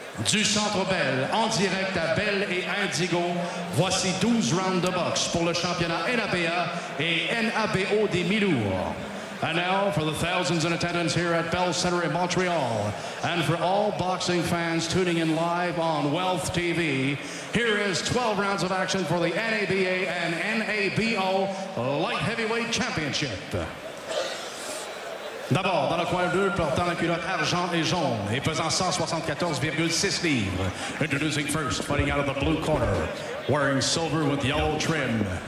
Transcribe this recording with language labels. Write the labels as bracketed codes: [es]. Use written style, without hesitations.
[fr] Du Centre Bell, en direct à Bell et Indigo, voici 12 rounds de boxe pour le championnat NABA et NABO des Milours. [en] And now, for the thousands in attendance here at Bell Center in Montreal, and for all boxing fans tuning in live on Wealth TV, here is 12 rounds of action for the NABA and NABO Light Heavyweight Championship. [fr] D'abord, dans le coin 2, portant la culotte argent et jaune, et pesant 174,6 livres. [en] Introducing first, fighting out of the blue corner, wearing silver with yellow trim.